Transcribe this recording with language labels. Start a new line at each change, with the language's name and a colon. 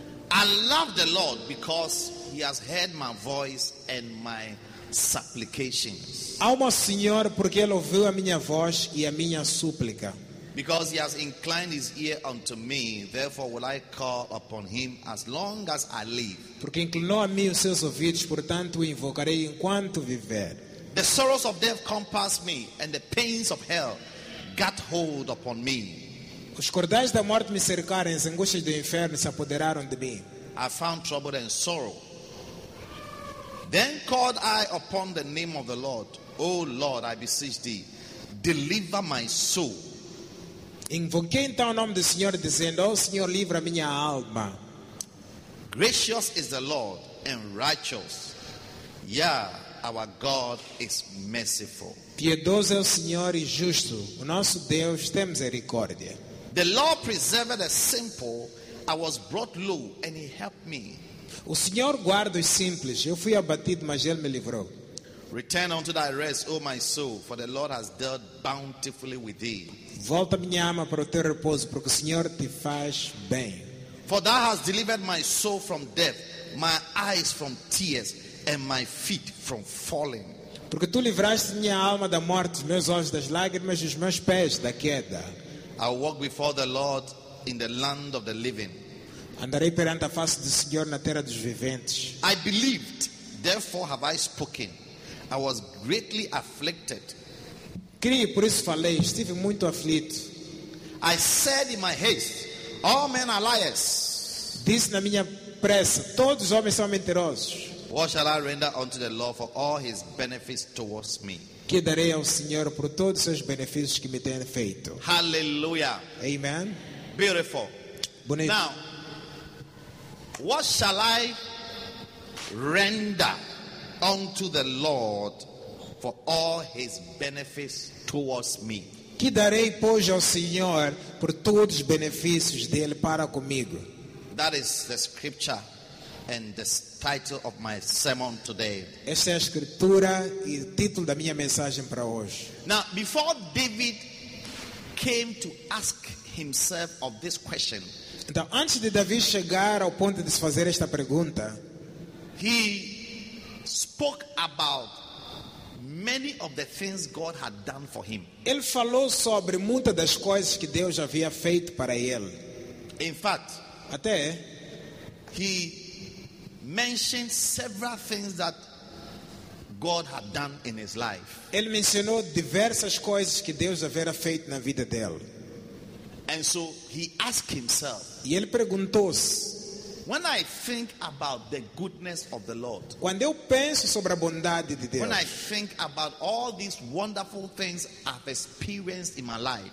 English: I love the Lord because he has heard my voice and my supplications.
Portuguese: Amo ao Senhor porque ele ouviu a minha voz e a minha súplica.
English: Because he has inclined his ear unto me, therefore will I call upon him as long as I live.
Portuguese: Porque inclinou a mim os seus ouvidos, portanto o invocarei enquanto viver.
English: The sorrows of death compass me, and the pains of hell got hold upon me.
Portuguese: Os cordais da morte me cercaram, as angústias do inferno se apoderaram de mim.
English: I found trouble and sorrow. Then called I upon the name of the Lord. O Lord, I beseech thee, deliver my soul.
Portuguese: Invoquei então o nome do Senhor, dizendo: Ó Senhor, livra minha alma.
English: Gracious is the Lord and righteous. Yeah, our God is merciful.
Portuguese: Piedoso é o Senhor e justo. O nosso Deus tem misericórdia.
English: The Lord preserved the simple. I was brought low and he helped me.
Portuguese: O Senhor guarda os simples. Eu fui abatido, mas ele me livrou.
English: Return unto thy rest, O my soul, for the Lord has dealt bountifully with thee.
Portuguese: Volta minha alma para o teu repouso, porque o Senhor te faz bem.
English: For thou hast delivered my soul from death, my eyes from tears, and my feet from falling.
Portuguese: Porque tu livraste minha alma da morte, os meus olhos das lágrimas e os meus pés da queda.
English: I walk before the Lord in the land of the living.
Portuguese: Andarei perante a face do Senhor na terra dos viventes.
English: I believed, therefore have I spoken. I was greatly afflicted.
Portuguese: Crie, por isso falei, estive muito aflito.
English: I said in my haste, all men are liars.
Portuguese: Disse na minha pressa, todos os homens são mentirosos.
English: What shall I render unto the Lord for all his benefits towards me?
Portuguese: Que darei ao Senhor por todos os seus benefícios que me tem feito?
English: Hallelujah. Amen. Beautiful.
Portuguese: Bonito.
English: Now, what shall I render unto the Lord for all his benefits towards me?
Portuguese: Que darei pois ao Senhor por todos os benefícios dele para comigo?
English: That is the scripture and the title of my sermon today.
Portuguese: Essa é a escritura e o título da minha mensagem para hoje.
English: Now, before David came to ask himself of this question.
Portuguese: Então, antes de Davi chegar ao ponto de se fazer esta pergunta,
English: he spoke about many of the things God had done for him.
Portuguese: Ele falou sobre muitas das coisas que Deus havia feito para ele.
English: In fact,
Portuguese: até
English: he mentioned several things that God had done in his life.
Portuguese: Ele mencionou diversas coisas que Deus havia feito na vida dele.
English: And so he asked himself.
Portuguese: E ele perguntou-se.
English: When I think about the goodness of the Lord.
Portuguese: Quando eu penso sobre a bondade de Deus.
English: When I think about all these wonderful things I've experienced in my life.